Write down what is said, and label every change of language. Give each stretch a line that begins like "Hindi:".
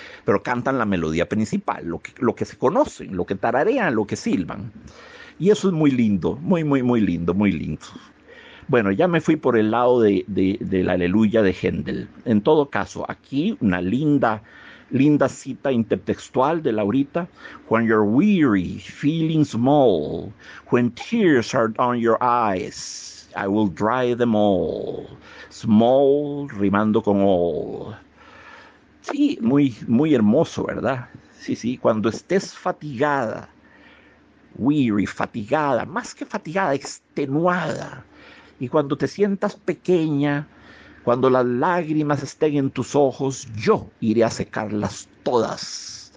Spanish: Pero cantan la melodía principal, lo que se conocen, lo que tararean, lo que silban. Y eso es muy lindo, muy, muy, muy lindo, muy lindo. Bueno, ya me fui por el lado de la Aleluya de Händel. En todo caso, aquí una linda. Linda cita intertextual de Laurita.
English: When you're weary, feeling small, when tears are on your eyes, I will dry them all.
Spanish: Small rimando con all. Sí, muy, muy hermoso, ¿verdad? Sí, cuando estés fatigada, weary, fatigada, más que fatigada, extenuada, y cuando te sientas pequeña. Cuando las lágrimas estén en tus ojos, yo iré a secarlas todas.